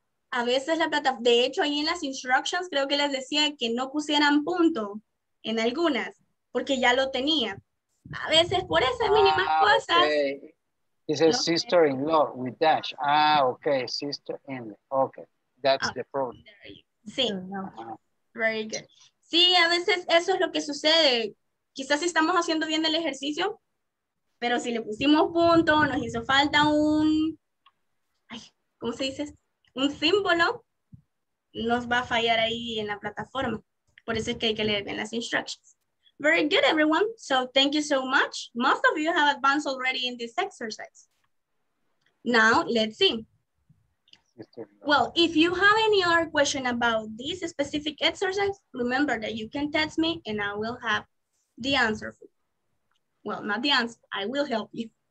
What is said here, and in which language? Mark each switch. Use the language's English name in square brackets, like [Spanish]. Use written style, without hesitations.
[Spanish] A veces la plataforma, de hecho, ahí en las instructions creo que les decía que no pusieran punto en algunas, porque ya lo tenía. A veces por esas mínimas cosas. [English] Okay. It's a no sister-in-law with dash. Ah, okay, sister-in-law. Okay, that's the problem. [Spanish] Sí. [English] Very good. [Spanish] Sí, a veces eso es lo que sucede. Quizás estamos haciendo bien el ejercicio, pero si le pusimos punto, nos hizo falta un... Ay, ¿cómo se dice esto? Un símbolo nos va a fallar ahí en la plataforma. Por eso es que hay que leer bien las instructions. [English] Very good, everyone. So thank you so much. Most of you have advanced already in this exercise. Now, let's see. Well, if you have any other question about this specific exercise, remember that you can text me and I will have the answer for you. Well, not the answer. I will help you.